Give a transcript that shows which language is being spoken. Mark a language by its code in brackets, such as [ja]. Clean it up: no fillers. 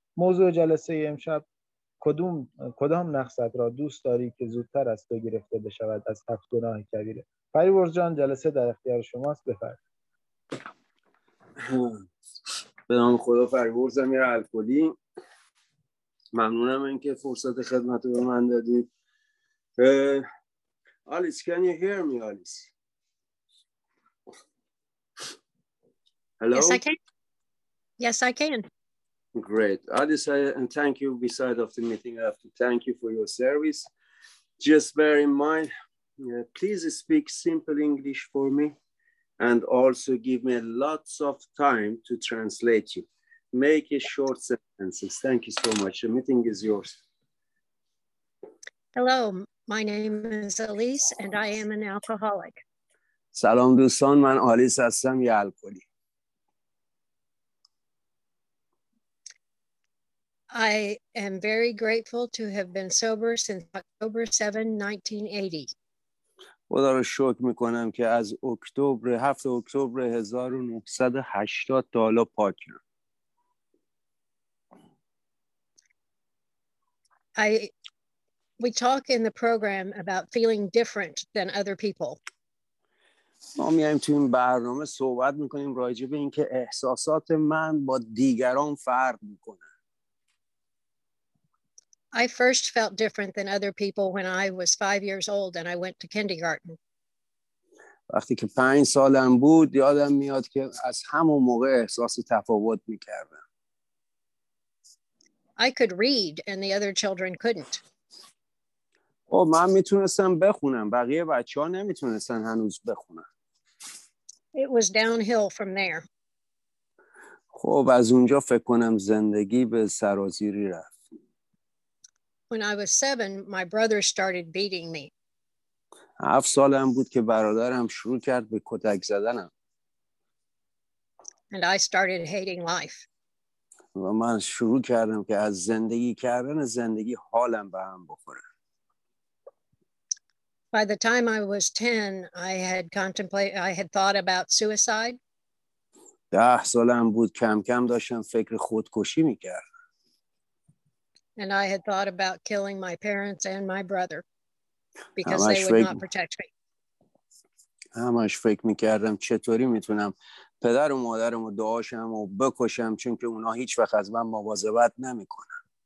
[fa] موضوع جلسه امشب کدام نقصت را دوست داری که زودتر از تو گرفته بشود از هفت گناه کبیره؟ فریبرز جان، جلسه در اختیار شماست، بفرمایید. به نام خدا، فریبرز امیر الکلی. ممنونم اینکه فرصت خدمت به من دادید. [en] Alice, can you hear me, Alice? Hello? Yes, I can. Great. And thank you. Besides of the meeting, I have to thank you for your service. Just bear in mind, please speak simple English for me and also give me lots of time to translate you. Make a short sentences. Thank you so much. The meeting is yours. Hello, my name is Alice and I am an alcoholic. [fa] Salam dostan, man Alice hastam, ye alkoholi. [en] I am very grateful to have been sober since October 7, 1980. [fa] خدا رو شکر میکنم که از اکتبر 7 اکتبر 1980 تا حالا پاکم. [en] We talk in the program about feeling different than other people. [fa] ما میایم تو این برنامه صحبت میکنیم راجع به اینکه احساسات من با دیگران فرق میکنه. [en] I first felt different than other people when I was 5 years old and I went to kindergarten. [fa] وقتی که 5 سالم بود یادم میاد که از همون موقع احساس تفاوت میکردم. [en] I could read and the other children couldn't. [fa] من میتونستم بخونم، بقیه بچه‌ها نمیتونستن هنوز بخونن. [en] It was downhill from there. [fa] از اونجا فکر کنم زندگی به سرازیری رفت. [en] When I was 7, my brother started beating me. [fa] 7 سالم بود که برادرم شروع کرد به کتک زدنم. [en] And I started hating life. [fa] و من شروع کردم که از زندگی کردن زندگی حالم به هم بخوره. [en] By the time I was 10, I had thought about suicide. [fa] 10 سالم بود کم کم داشتم فکر خودکشی می‌کردم. [en] And I had thought about killing my parents and my brother because they would not protect me. [fa] همش فکر میکردم چطوری میتونم پدر و مادرم و دعاشم و بکشم، چون که اونا هیچ وقت از من مواظبت نمیکنن.